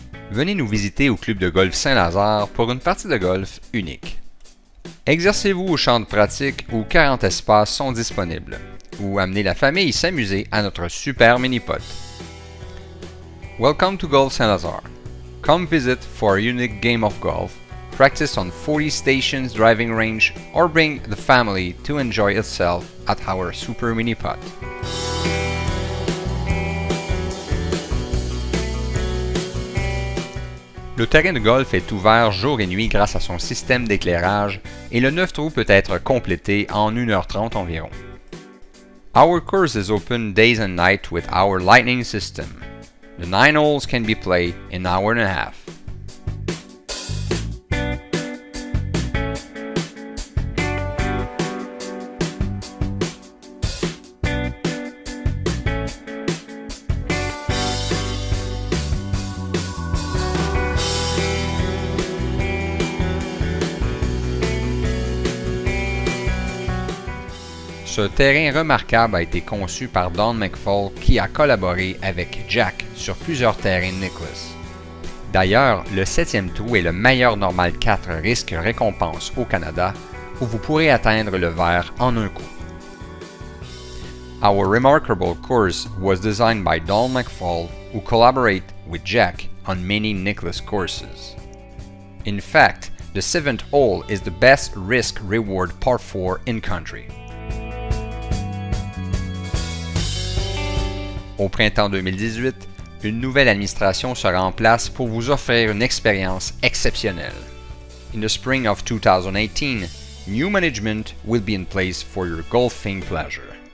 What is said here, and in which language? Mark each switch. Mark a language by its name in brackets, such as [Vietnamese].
[French] venez nous visiter au club de golf Saint-Lazare pour une partie de golf unique. Exercez-vous au champ de pratique où 40 espaces sont disponibles ou amenez la famille s'amuser à notre super mini-pot. [English] Welcome to Golf Saint-Lazare. Come visit for a unique game of golf, practice on 40 stations driving range or bring the family to enjoy itself at our super mini-pot. [French] Le terrain de golf est ouvert jour et nuit grâce à son système d'éclairage et le 9 trous peut être complété en 1h30 environ. [English] Our course is open days and night with our lightning system. The 9 holes can be played in 1.5 hours. [French] Ce terrain remarquable a été conçu par Don McFall qui a collaboré avec Jack sur plusieurs terrains de Nicklaus. D'ailleurs, le 7e trou est le meilleur normal 4 risque récompense au Canada où vous pourrez atteindre le verre en un coup. [English] Our remarkable course was designed by Don McFall who collaborate with Jack on many Nicklaus courses. In fact, the 7th hole is the best risk reward par 4 in country. [French] Au printemps 2018, une nouvelle administration sera en place pour vous offrir une expérience exceptionnelle. [English] In the spring of 2018, new management will be in place for your golfing pleasure.